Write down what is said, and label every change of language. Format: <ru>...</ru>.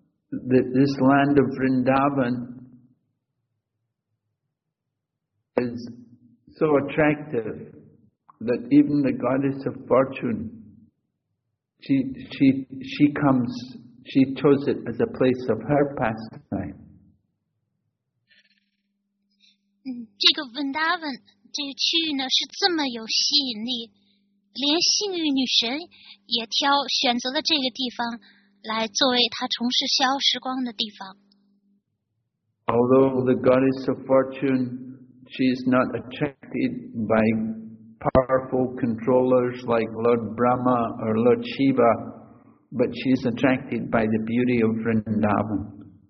<en>This land of Vrindavan is so attractive that even the goddess of fortune she chose it as a place of her pastime</en> <zh>这个 Vrindavan 这个区域呢是这么有吸引力，连幸运女神也选择了这个地方来作为她从事逍遥时光的地方。</zh> <en>Although the goddess of fortune, she is not attracted by powerful controllers like Lord Brahma or Lord Shiva, but she is attracted by the beauty of Vrindavan.</en>